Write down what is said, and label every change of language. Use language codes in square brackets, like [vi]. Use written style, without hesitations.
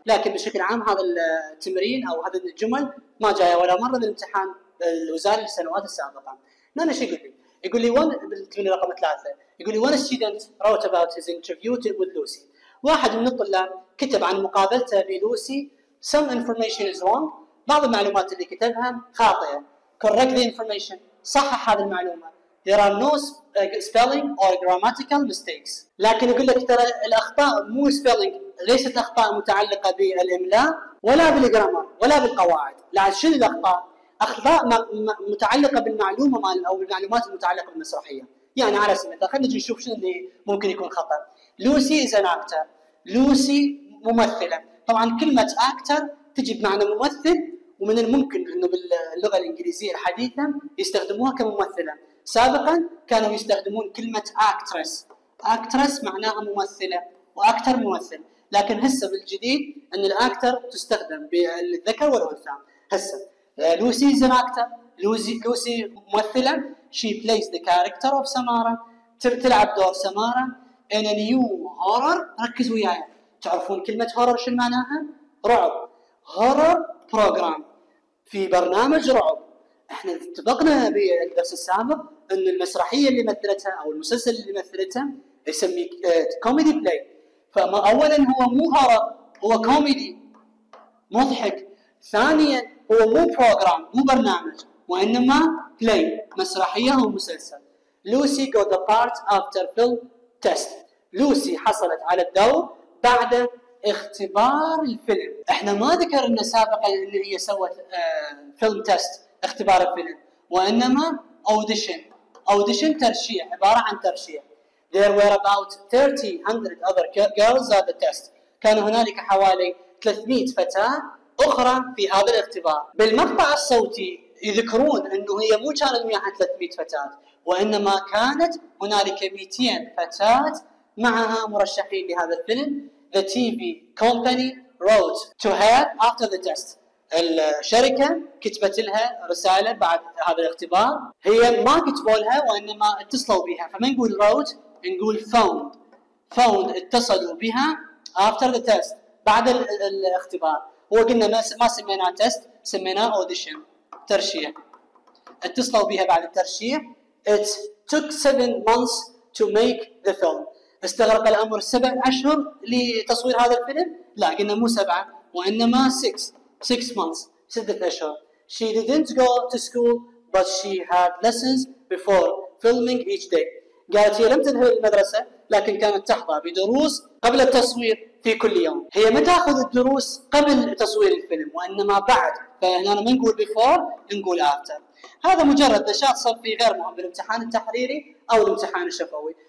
[ar] لكن بشكل عام هذا التمرين أو هذه الجمل ما جاية ولا مرة بالامتحان الوزاري للسنوات السابقة. نانا شي يقول لي؟ يقول لي وان بالتمرين رقم 3 يقول لي وان [en] student wrote about his interview with Lucy. [ar] واحد من الطلاب كتب عن مقابلته بلوسي [en] some information is wrong. [ar] بعض المعلومات اللي كتبها خاطئة. [en] Correct the information. [ar] صحح هذه المعلومة. [en] There are no spelling or grammatical mistakes. [ar] لكن يقول لك ترى الأخطاء مو spelling، ليست أخطاء متعلقة بالإملاء ولا بالجرامر ولا بالقواعد. لكن شنو الأخطاء؟ أخطاء متعلقة بالمعلومة أو المعلومات المتعلقة بالمسرحية. يعني على سبيل المثال خلينا نشوف شنو اللي ممكن يكون خطأ. [en] Lucy is an actor. [ar] لوسي ممثلة. طبعا كلمة actor تجي بمعنى ممثل، ومن الممكن إنه باللغة الإنجليزية الحديثة يستخدموها كممثلة. سابقا كانوا يستخدمون كلمة actress. actress معناها ممثلة وأكتر ممثل، لكن هسه بالجديد أن الأكتر تستخدم بالذكر والأنثى. [en] هسه Lucy is an actor. [ar] لوسي ممثلة. [en] she plays the character of Samara. [ar] تلعب دور سمارة [en] in a new horror. [ar] ركز وياي، تعرفون كلمة horror شو معناها؟ رعب. horror program في برنامج رعب. احنا اتفقنا بالدرس السابق ان المسرحيه اللي مثلتها او المسلسل اللي مثلتها يسميه كوميدي بلاي. فما اولا هو مو هورر، هو كوميدي مضحك. ثانيا هو مو بروجرام، مو برنامج، وانما بلاي مسرحيه او مسلسل. [en] Lucy got the part after film test. [ar] لوسي حصلت على الدور بعد اختبار الفيلم. احنا ما ذكرنا سابقا ان هي سوت فيلم تيست اختبار الفيلم، وانما اودشن. اودشن ترشيح، عباره عن ترشيح. [en] There were about 300 other girls at the test. [ar] كان هنالك حوالي 300 فتاه اخرى في هذا الاختبار. بالمقطع الصوتي يذكرون انه هي مو كانت 300 فتاه، وانما كانت هنالك 200 فتاه معها مرشحين لهذا الفيلم. [en] The TV company wrote to her after the test. [ar] الشركة كتبت لها رسالة بعد هذا الاختبار. هي ما كتبوا لها وإنما اتصلوا بها. فما نقول wrote، نقول found. found اتصلوا بها [en] after the test، [ar] بعد الاختبار. هو قلنا ما سميناه test، سميناه audition، ترشيح. اتصلوا بها بعد الترشيح. [en] It took 7 months to make the film. [ar] استغرق الأمر 7 أشهر لتصوير هذا الفيلم. لا، قلنا مو 7 وإنما [en] 6 months، [ar] 6 أشهر. [en] She didn't go to school, but she had lessons before filming each day. [ar] قالت هي لم تذهب للمدرسة، لكن كانت تحظى بدروس قبل التصوير في كل يوم. هي ما تأخذ الدروس قبل تصوير الفيلم وإنما بعد. فهنا ما نقول before، نقول after. هذا مجرد نشاط صفي غير مهم بالامتحان التحريري أو الامتحان الشفوي.